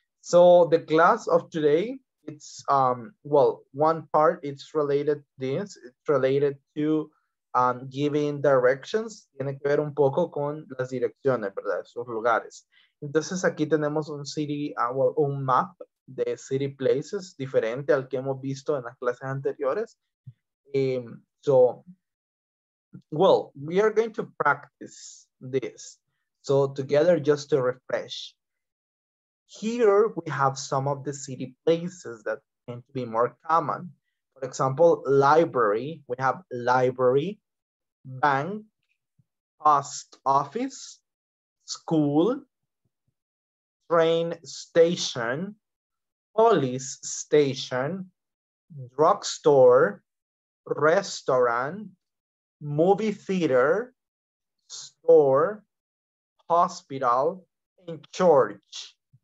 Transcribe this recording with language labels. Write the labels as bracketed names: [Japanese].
[English] So the class of today, it's, well, one part, it's related to this. It's related to giving directions. [Spanish] Tiene que ver un poco con las direcciones, ¿verdad? Esos lugares. Entonces, aquí tenemos un city, well, un map de city places diferente al que hemos visto en las clases anteriores. [English] So, well, we are going to practice this. So, together, just to refresh. Here we have some of the city places that tend to be more common. For example, library, we have library, bank, post office, school, train station, police station, drugstore, restaurant, movie theater, store, hospital, and church.